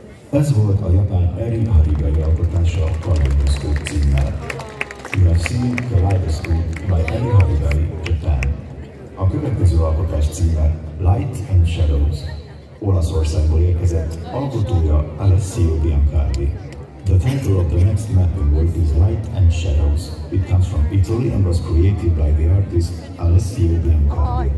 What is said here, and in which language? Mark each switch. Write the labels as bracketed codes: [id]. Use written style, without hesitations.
[hu] Ez volt a japán Erin Harigai alkotása a Kaleidoszkóp címmel. [en] You have seen Kaleidoszkóp by Erin Harigai, Japan. [hu] A következő alkotás címe Light and Shadows. Olaszországból érkezett, alkotója Alessio Biancardi. [en] The title of the next mapping work is Light and Shadows. It comes from Italy and was created by the artist Alessio Biancardi.